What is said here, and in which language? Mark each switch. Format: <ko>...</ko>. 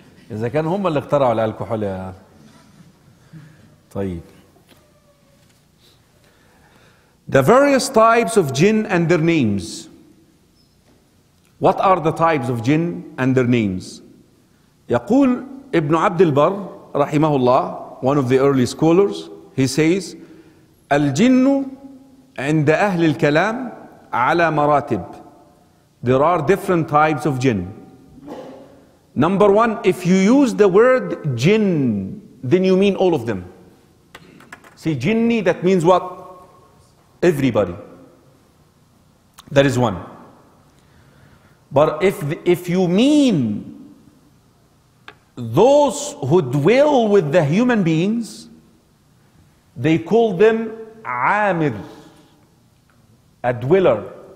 <ar>إذا كان هم اللي اخترعوا الكحول يا طيب</ar> <en>The various types of jinn and their names. What are the types of jinn and their names?</en> <ar>يقول ابن عبد البر رحمه الله,</ar> <en>one of the early scholars, he says,</en> <ar>الجن عند أهل الكلام على مراتب.</ar> <en>There are different types of jinn. Number one, if you use the word jinn, then you mean all of them. See, jinni, that means what? Everybody. That is one. But if you mean those who dwell with the human beings, they call them عامر, a dweller.</en>